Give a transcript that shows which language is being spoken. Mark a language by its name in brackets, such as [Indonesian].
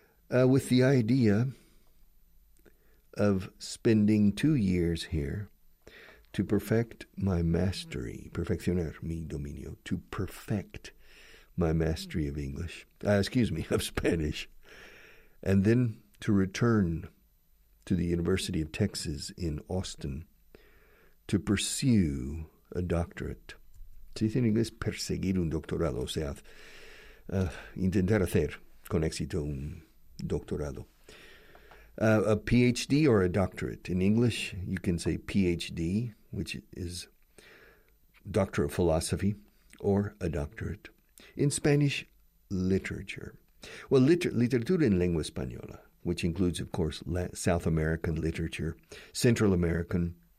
[English] With the idea of spending 2 years here to perfect my mastery, [Spanish] perfeccionar mi dominio, [English] to perfect my mastery of English, of Spanish, and then to return to the University of Texas in Austin to pursue a doctorate. [Spanish] Se dice en inglés perseguir un doctorado, o sea, intentar hacer con éxito un doctorado. [English] A PhD or a doctorate. In English, you can say PhD, which is Doctor of Philosophy, or a doctorate. In Spanish, literature. Well, [Spanish] literatura en lengua española, [English] which includes, of course, South American literature, Central American.